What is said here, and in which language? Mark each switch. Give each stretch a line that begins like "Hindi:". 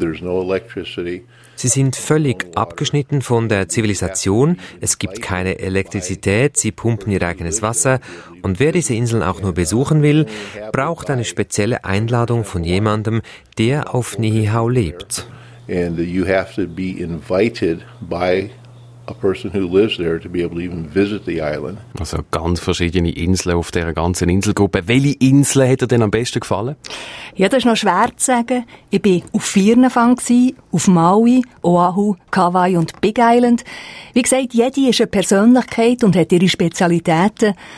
English: There's no electricity.
German: Sie sind völlig abgeschnitten von der Zivilisation. Es gibt keine Elektrizität. Sie pumpen ihr eigenes Wasser. Und wer diese Inseln auch nur besuchen will, braucht eine spezielle Einladung von jemandem, der auf Niihau lebt.
English: And you have to be invited by a person who lives there to be able to even visit the island.
German: Also ganz verschiedene Inseln auf dieser ganzen Inselgruppe. Welche Inseln hat dir denn am besten gefallen? Ja, das ist noch schwer zu sagen. Ich war auf vier Fang, auf Maui, Oahu, Kauai und Big Island. Wie gesagt, jede ist eine Persönlichkeit und hat ihre Spezialitäten.